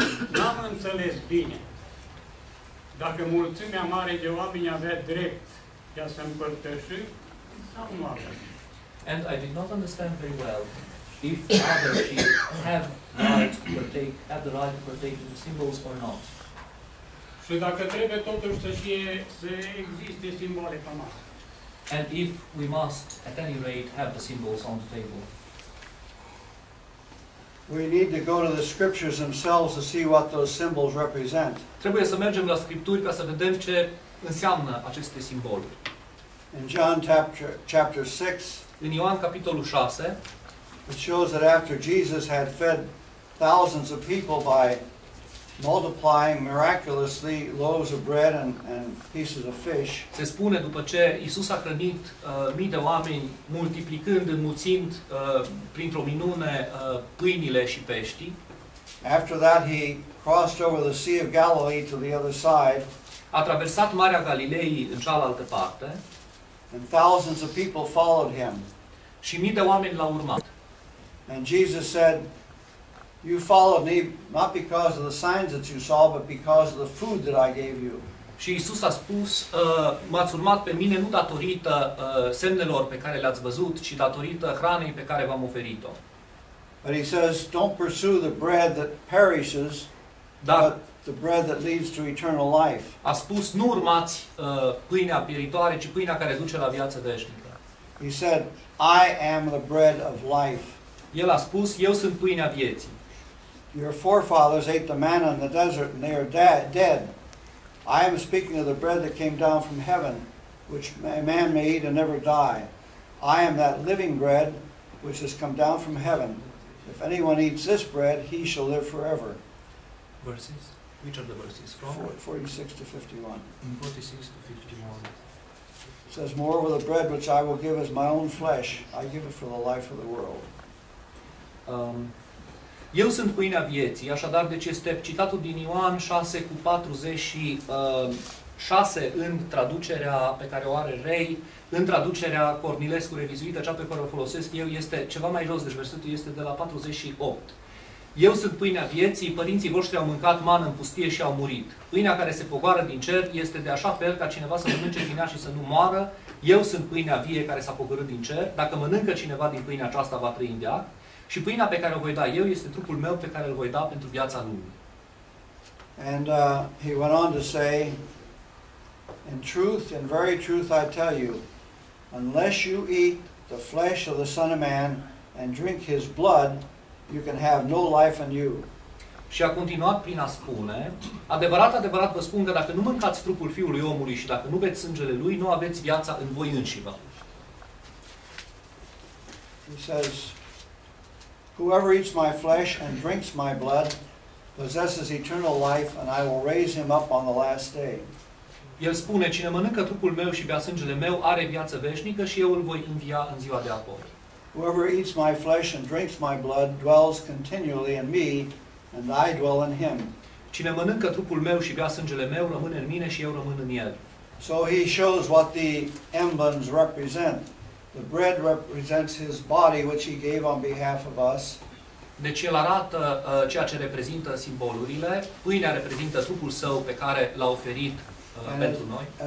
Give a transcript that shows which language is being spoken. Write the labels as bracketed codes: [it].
[ro] N-am înțeles bine dacă mulțimea mare de oameni avea drept de a se împărtăși sau nu avea. [en] And I did not understand very well if other sheep have the right to partake in the symbols or not. [ro] Și dacă trebuie totuși să fie, să existe simbole pe masă. [en] And if we must, at any rate, have the symbols on the table. We need to go to the scriptures themselves to see what those symbols represent. [ro] Trebuie să mergem la scripturi ca să vedem ce înseamnă aceste simboluri. [en] In John chapter 6, [ro] în Ioan capitolul 6, [en] it shows that after Jesus had fed thousands of people by multiplying miraculously loaves of bread and pieces of fish. [ro] Se spune după ce Isus a hrănit mii de oameni multiplicând, înmulțind printr-o minune pâinile și peștii. [en] After that he crossed over the Sea of Galilee to the other side. [ro] A traversat Marea Galilei în cealaltă parte. [en] And thousands of people followed him. [ro] Și mii de oameni l-au urmat. [en] And Jesus said, "You followed me not because of the signs that you saw, but because of the food that I gave you." [ro] Și Isus a spus, m-ați urmat pe mine nu datorită semnelor pe care le-ați văzut, ci datorită hranei pe care v-am oferit-o. [en] But he says, "Don't pursue the bread that perishes, but the bread that leads to eternal life." [ro] A spus, nu urmați pâinea pieritoare, ci pâinea care duce la viață veșnică. [en] He said, "I am the bread of life." [ro] El a spus, eu sunt pâinea vieții. [en] Your forefathers ate the manna in the desert and they are dead. I am speaking of the bread that came down from heaven, which a man may eat and never die. I am that living bread which has come down from heaven. If anyone eats this bread, he shall live forever. Verses? Which are the verses? From? 46 to 51. 46 to 51. It says, moreover, the bread which I will give is my own flesh. I give it for the life of the world. [ro] Eu sunt pâinea vieții, așadar deci este citatul din Ioan 6 cu 46 în traducerea pe care o are Rei, în traducerea Cornilescu revizuită, cea pe care o folosesc eu, este ceva mai jos, deci versetul este de la 48. Eu sunt pâinea vieții, părinții voștri au mâncat mană în pustie și au murit. Pâinea care se pogoară din cer este de așa fel ca cineva să mănânce din ea și să nu moară. Eu sunt pâinea vie care s-a pogorât din cer. Dacă mănâncă cineva din pâinea aceasta, va trăi în veac. Și pâinea pe care o voi da eu este trupul meu pe care îl voi da pentru viața lumii. [en] And he went on to say, in truth, in very truth I tell you, unless you eat the flesh of the Son of Man and drink his blood, you can have no life in you. [ro] Și a continuat prin a spune, adevărat, adevărat vă spun că dacă nu mâncați trupul Fiului Omului și dacă nu beți sângele Lui, nu aveți viața în voi înșivă. [en] He says, whoever eats my flesh and drinks my blood possesses eternal life and I will raise him up on the last day. [ro] El spune, cine mănâncă trupul meu și bea sângele meu are viață veșnică și eu îl voi învia în ziua de apoi. [en] Whoever eats my flesh and drinks my blood dwells continually in me and I dwell in him. [ro] Cine mănâncă trupul meu și bea sângele meu rămâne în mine și eu rămân în el. [en] So he shows what the emblems represent. The bread represents his body which he gave on behalf of us. [ro] Deci el arată ceea ce reprezintă simbolurile. Pâinea reprezintă trupul său pe care l-a oferit pentru noi.